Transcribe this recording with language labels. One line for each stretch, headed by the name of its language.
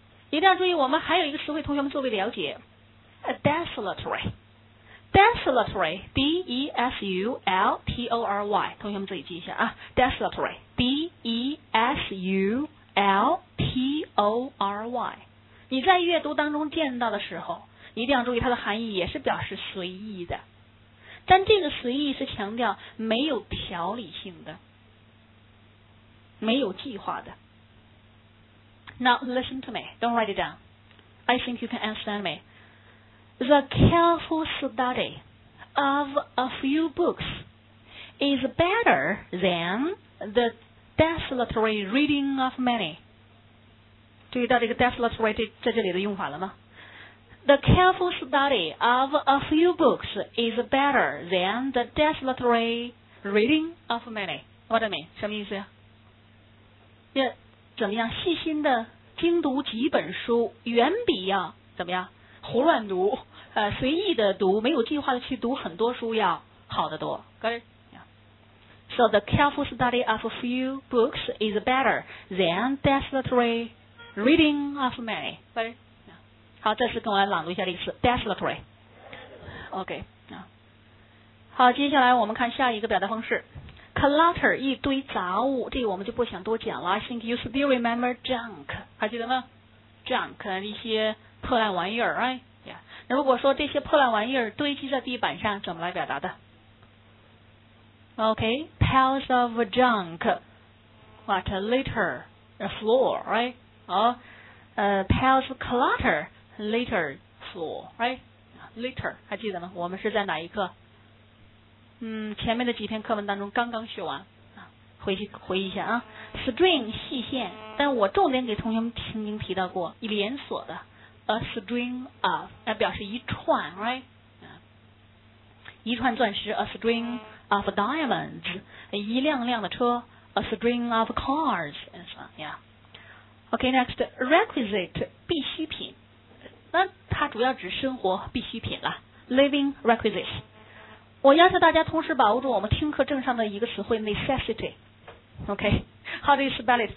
Chinese: 一定要注意，我们还有一个词汇，同学们作为了解 ，desultory， desultory， d e s u l t o r y， 同学们自己记一下啊 ，desultory， d e s u l t o r y， 你在阅读当中见到的时候，一定要注意它的含义也是表示随意的，但这个随意是强调没有条理性的，没有计划的。
English: Now listen to me. Don't write it down. I think you can understand me. The careful study of a few books is better than the desultory reading of many.
Chinese: 注意到这个 desultory 在这里的用法了吗？
English: The careful study of a few books is better than the desultory reading of many. What do I mean?
Chinese: 什么意思呀？怎么样？细心的精读几本书，远比要怎么样？胡乱读，随意的读，没有计划的去读很多书要好得多。
English: Got it? So the careful study of a few books is better than desultory reading of many. Got it?
Chinese: 好，这次跟我来朗读一下例词 desultory.
English: OK.
Chinese: 好，接下来我们看下一个表达方式。Clutter 一堆杂物，这个我们就不想多讲了。
English: I think you still remember junk，
Chinese: 还记得吗 ？Junk 一些破烂玩意儿 ，right？ Yeah。那如果说这些破烂玩意儿堆积在地板上，怎么来表达的 ？
English: OK， piles of junk， what litter the floor， right？哦，piles of clutter litter floor， right？ Litter
Chinese: 还记得吗？我们是在哪一课？前面的几篇课文当中刚刚学完，回去回忆一下啊。 String 细线，但我重点给同学们曾经提到过，连锁的 a string of， 表示一串 ，right？ 一串钻石 a string of diamonds， 一辆辆的车 a string of cars，
English: and so on， yeah。
Chinese: OK， next requisite 必需品，那它主要指生活必需品了 ，living requisites。我要求大家同时把握住我们听课证上的一个词汇 necessity，
English: OK， how do you spell it？